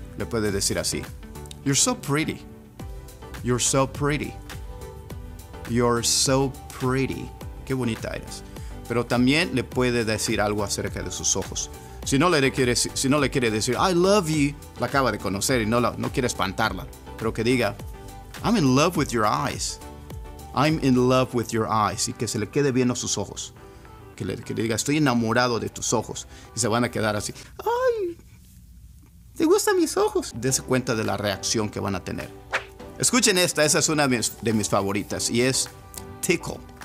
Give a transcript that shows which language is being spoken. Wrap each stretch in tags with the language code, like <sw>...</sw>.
<es>Le puede decir así.</es> <en>You're so pretty. You're so pretty. You're so pretty.</en> <es>Qué bonita eres. Pero también le puede decir algo acerca de sus ojos. Si no le quiere decir,</es> <en>I love you.</en> <es>La acaba de conocer y no quiere espantarla. Pero que diga,</es> <en>I'm in love with your eyes. I'm in love with your eyes.</en> <es>Y que se le quede viendo sus ojos. Que le diga, estoy enamorado de tus ojos. Y se van a quedar así. Ay, te gustan mis ojos. Dese cuenta de la reacción que van a tener. Escuchen esta. Esa es una de mis favoritas. Y es tickle.</es>